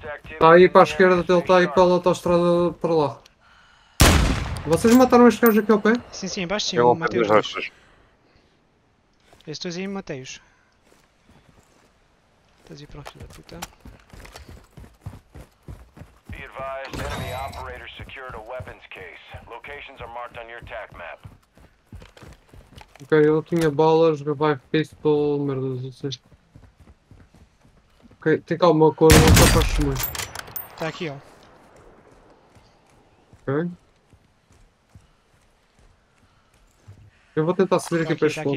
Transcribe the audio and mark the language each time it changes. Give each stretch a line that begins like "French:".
Portuguese: Está aí para a esquerda, ele está aí pela autoestrada para lá. Vocês mataram este gajo aqui ao pé? Sim, sim, embaixo sim, eu matei os dois. Estes dois aí matei-os. Estás aí para o filho da puta.
English: Enemy operator secured a weapons case. Locations are marked on your attack map.
Portuguese: Ok, eu tinha balas, revive pistol, merda, não sei. Ok, tem cá uma cor, não está para chumar. Está aqui, ó. Ok. Eu vou tentar subir aqui para este ponto.